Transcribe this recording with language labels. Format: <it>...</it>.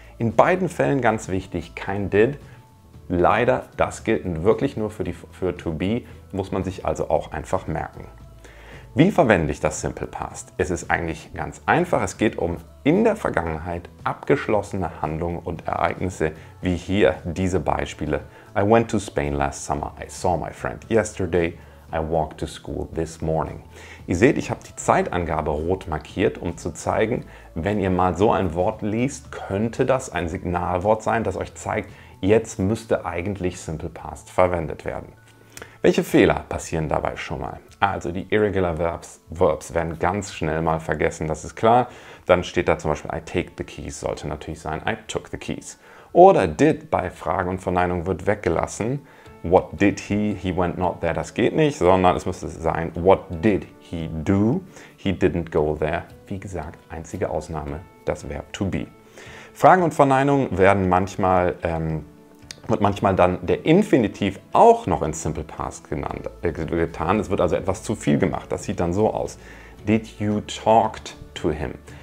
<de>In beiden Fällen ganz wichtig, kein did. Leider, das gilt wirklich nur für to be, muss man sich also auch einfach merken. Wie verwende ich das Simple Past? Es ist eigentlich ganz einfach, es geht um in der Vergangenheit abgeschlossene Handlungen und Ereignisse, wie hier diese Beispiele.</de> <en>I went to Spain last summer, I saw my friend yesterday, I walked to school this morning.</en> <de>Ihr seht, ich habe die Zeitangabe rot markiert, um zu zeigen, wenn ihr mal so ein Wort liest, könnte das ein Signalwort sein, das euch zeigt, jetzt müsste eigentlich Simple Past verwendet werden. Welche Fehler passieren dabei schon mal? Also die Irregular Verbs werden ganz schnell mal vergessen, das ist klar. Dann steht da zum Beispiel,</de> <en>I take the keys,</en> <de>sollte natürlich sein,</de> <en>I took the keys.</en> <de>Oder did bei Fragen und Verneinung wird weggelassen.</de> <en>What did he went not there,</en> <de>das geht nicht, sondern es müsste sein,</de> <en>what did he do, he didn't go there.</en> <de>Wie gesagt, einzige Ausnahme, das Verb to be. Fragen und Verneinungen werden manchmal, wird manchmal dann der Infinitiv auch noch in Simple Past getan. Es wird also etwas zu viel gemacht. Das sieht dann so aus.</de> <en>Did you talked to him?</en>